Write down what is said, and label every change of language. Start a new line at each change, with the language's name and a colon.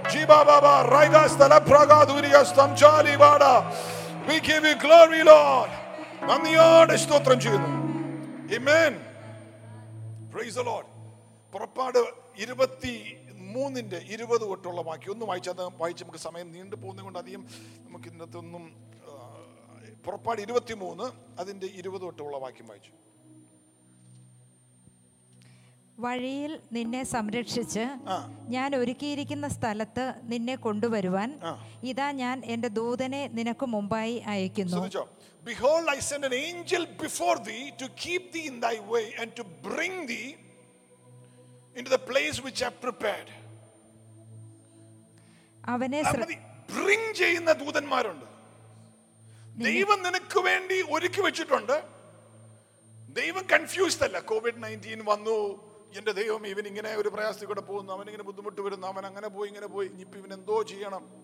Malayalam: വായിച്ചു നമുക്ക് സമയം നീണ്ടു പോകുന്നത് കൊണ്ട് അധികം നമുക്ക് ഇന്നത്തെ ഒന്നും പുറപ്പാട് 23 അതിന്റെ 20 തൊട്ടുള്ള വാക്യം വായിച്ചു വഴിയിൽ നിന്നെ സംരക്ഷിച്ച് ഞാൻ ഒരുക്കിയിരിക്കുന്ന സ്ഥലത്ത് നിന്നെ കൊണ്ടുവരുവാൻ ഇതാ ഞാൻ എന്റെ ദൂതനെ നിനക്ക് മുമ്പായി അയക്കുന്നു
English: Behold, I send an angel before thee to keep thee in thy way and to bring thee into the place which I have prepared.
Malayalam: അവനെ ബ്രിങ് ചെയ്യുന്ന ദൂതന്മാരുണ്ട് ദൈവം നിനക്ക് വേണ്ടി ഒരുക്കി വെച്ചിട്ടുണ്ട് ദൈവം കൺഫ്യൂസ്ഡ് അല്ല COVID-19 വന്നു എന്റെ ദൈവം ഇവൻ ഇങ്ങനെ ഒരു പ്രയാസത്തിൽ കൂടെ പോകുന്നു അവൻ ഇങ്ങനെ ബുദ്ധിമുട്ട് വരുന്നു അവൻ അങ്ങനെ പോയി ഇങ്ങനെ പോയി ഇനിയിപ്പോ ഇവൻ എന്തോ ചെയ്യണം